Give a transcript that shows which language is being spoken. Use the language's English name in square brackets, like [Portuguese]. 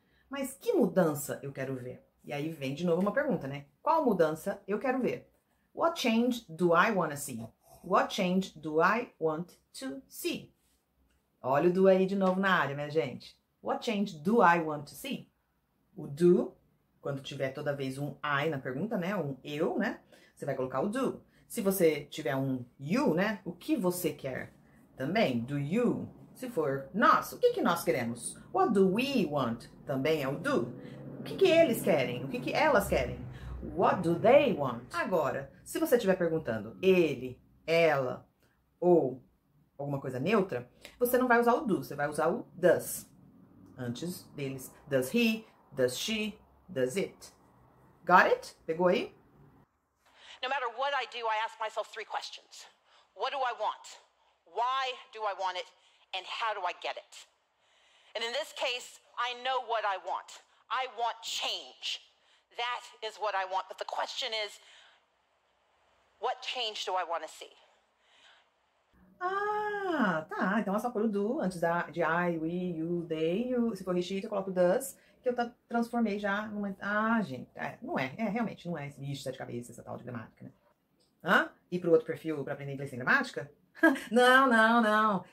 [Portuguese] Mas que mudança eu quero ver? E aí vem de novo uma pergunta, né? Qual mudança eu quero ver? [English] What change do I want to see? What change do I want to see? [Portuguese] Olha o do aí de novo na área, minha gente. [English] What change do I want to see? [Portuguese] O do, quando tiver toda vez um I na pergunta, né? Um eu, né? Você vai colocar o do. Se você tiver um you, né? O que você quer? Também, do you. Se for nós, o que que nós queremos? [English] What do we want? [Portuguese] Também é o do. O que que eles querem? O que que elas querem? [English] What do they want? [Portuguese] Agora, se você estiver perguntando ele, ela ou alguma coisa neutra, você não vai usar o do, você vai usar o does. Antes deles, [English] does he, does she, does it. Got it? [Portuguese] Pegou aí? [English] No matter what I do, I ask myself three questions. What do I want? Why do I want it? And how do I get it? And in this case, I know what I want. I want change. That is what I want. But the question is, what change do I want to see? [Portuguese] Ah, tá. Então, eu só pôr o do antes de I, we, you, they. Se for she, eu coloco does, que eu transformei já numa... Ah, gente, realmente, não é esse bicho de cabeça, essa tal de gramática, né? Hã? Ir pro outro perfil pra aprender inglês sem gramática? Não, não, não.